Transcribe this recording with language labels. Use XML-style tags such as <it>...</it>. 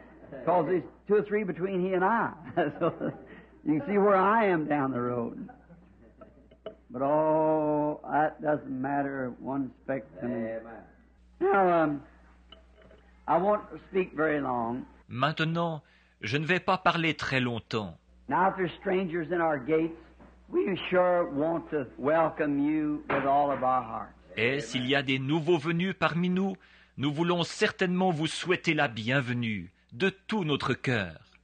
<en>Because there's two or three between he and I. So you can see where I am down the road. But oh, that doesn't matter one speck to me. Now, I won't speak very long.</en> <fr>Maintenant, je ne vais pas parler très longtemps.</fr> <en>Now, if there's strangers in our gates, we sure want to welcome you with all of our hearts.</en> <fr>Et s'il y a des nouveaux venus parmi nous, nous voulons certainement vous souhaiter la bienvenue de tout notre cœur.</fr>